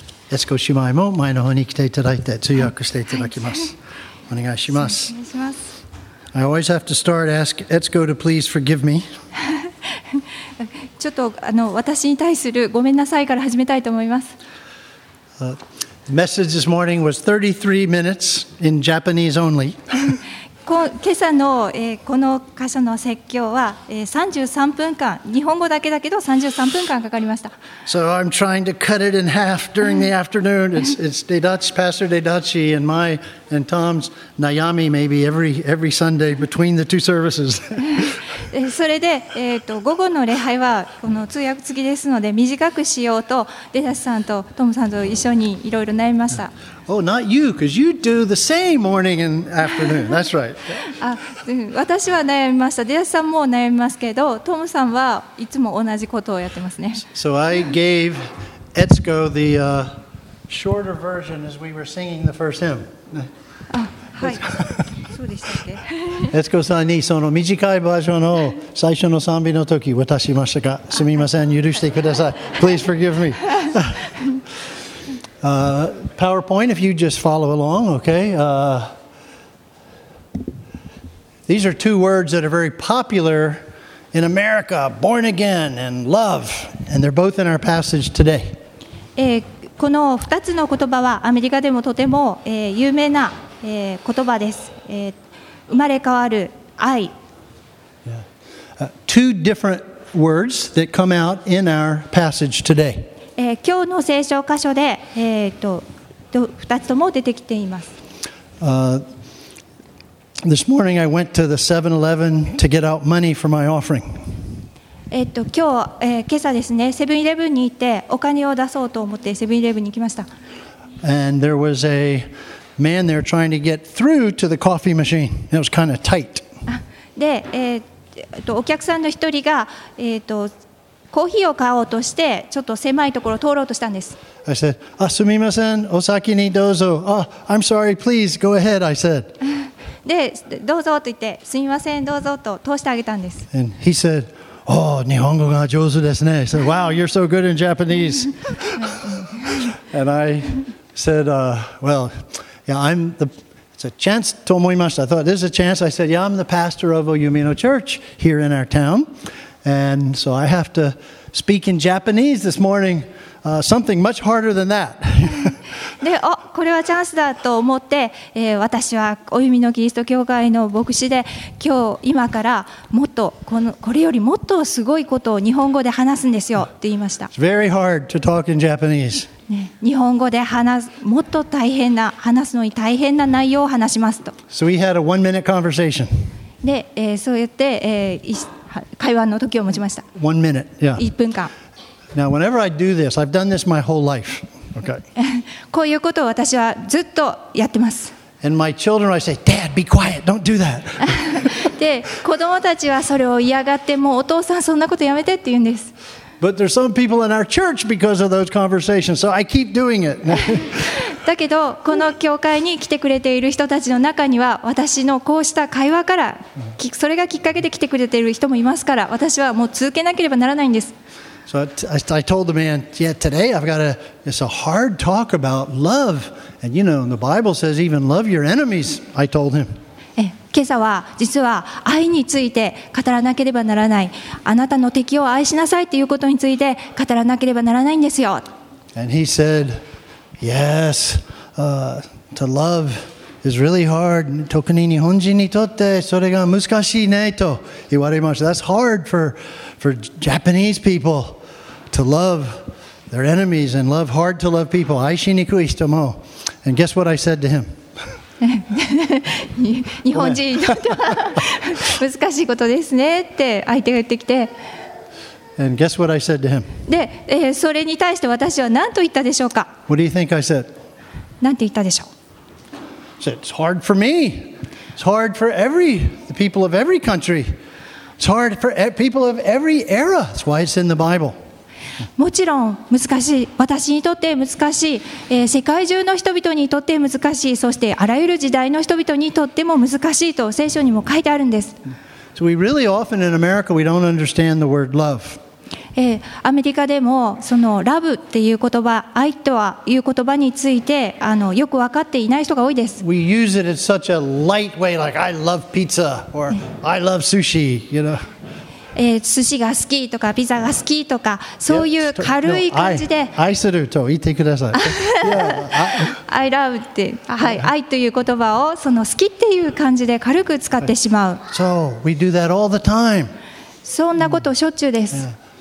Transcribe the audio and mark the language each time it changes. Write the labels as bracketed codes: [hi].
[ja] Etsuko Shimai も前の方に来ていただいて通訳していただきます。お願いします。 [en] I always have to start ask Etsuko to please forgive me. [ja] ちょっとあの私に対するごめんなさいから始めたいと思います。 [en] The message this morning was 33 minutes in Japanese only. [ja] 今朝の、この箇所の説教は、33分間、日本語だけだけど33分間かかりました。 [en] So I'm trying to cut it in half during the afternoon. It's Deidachi, Pastor Deidachi and my and Tom's Nayami maybe every Sunday between the two services. [ja] それで、午後の礼拝はこの通訳付きですので短くしようと、デイダチさんとトムさんと一緒にいろいろ悩みました。 [en] Oh, not you, because you do the same morning and afternoon. That's right. [ja] 私は悩みました。デアさんも悩みますけど、トムさんはいつも同じことをやってますね。 [en] So I gave Etsuko the shorter version as we were singing the first hymn. [ja] そうでしたっけ。Etsuko さんにその短いバージョンを最初の賛美の時渡しましたが、すみません、許してください。 [en] Please forgive me. PowerPoint, if you just follow along, okay. These are two words that are very popular in America, born again and love, and they're both in our passage today. [ja] この2つの言葉はアメリカでもとても有名な言葉です。生まれ変わる愛。 [en] Two different words that come out in our passage today. [ja] 今日の聖書箇所で、2つとも出てきています。 [en] This morning I went to the 7-Eleven to get out money for my offering. [ja] 今日、今朝ですね、セブンイレブンに行ってお金を出そうと思ってセブンイレブンに行きました。 [en] And there was a man there trying to get through to the coffee machine. It was kind of tight. [ja] で、お客さんの一人が、コーヒーを買おうとしてちょっと狭いところを通ろうとしたんです。 [en] I said, [ja] すみません、お先にどうぞ。 [en] I'm sorry, please go ahead, I said. [ja] で、どうぞと言って、すみません、どうぞと通してあげたんです。 [en] And he said, oh, [ja] 日本語が上手ですね。 [en] I said, wow, you're so good in Japanese. And I said, well, yeah, I'm the... It's a chance [ja] と思いました。 [en] I thought, this is a chance. I said, yeah, I'm the pastor of Oyumino Church here in our town. And so I have to speak in Japanese this morning, something much harder than that. [ja] で、お、これはチャンスだと思って、私はおゆみのキリスト教会の牧師で、今日今からもっとこの、これよりもっとすごいことを日本語で話すんですよって言いました。 [en] It's very hard to talk in Japanese. [ja] 日本語で話す、もっと大変な、話すのに大変な内容を話しますと。 [en] So we had a one-minute conversation. [ja] で、そうやって、会話の時を持ちました。 [en] 1 minute, yeah. [ja] 1分間。 [en] Now, whenever I do this, I've done this my whole life. Okay. [ja] こういうことを私はずっとやってます。 [en] And my children, I say, Dad, be quiet. Don't do that. [ja] で、子供たちはそれを嫌がって、もうお父さんそんなことやめてって言うんです。 [en] But there's some people in our church because of those conversations, so I keep doing it. [ja] だけど、この教会に来てくれている人たちの中には、私のこうした会話から、それがきっかけで来てくれている人もいますから、私はもう続けなければならないんです。 [en] So I told the man, yeah, today I've got it's a hard talk about love. And you know, the Bible says even love your enemies, I told him. [ja] 今朝は実は愛について語らなければならない。あなたの敵を愛しなさいということについて語らなければならないんですよ。 [en] And he said, yes, to love is really hard. [ja] 特に日本人にとってそれが難しいねと言われました。 [en] That's hard for Japanese people. To love their enemies and love hard to love people. [ja] 愛しにくい人も。 [en] And guess what I said to him? [ja] 日本人にとっては難しいことですねって相手が言ってきて。 [en] And guess what I said to him? [ja] で、それに対して私は何と言ったでしょうか? [en] What do you think I said? [ja] 何て言ったでしょう? [en] I said, it's hard for me. It's hard for the people of every country. It's hard for people of every era. That's why it's in the Bible. [ja] もちろん難しい、私にとって難しい、世界中の人々にとって難しい、そしてあらゆる時代の人々にとっても難しいと聖書にも書いてあるんです。 [en] So we really often in America we don't understand the word love. [ja] アメリカでもそのラブっていう言葉、愛とはいう言葉についてよく分かっていない人が多いです。 [en] We use it in such a light way, like I love pizza or I love sushi, you know. [ja] 寿司が好きとかピザが好きとかそういう軽い感じで愛すると言ってください。 [en] I love [ja] って、はい、愛という言葉をその好きっていう感じで軽く使ってしまう。 [en] So we do that all the time. [ja] そんなことしょっちゅうです。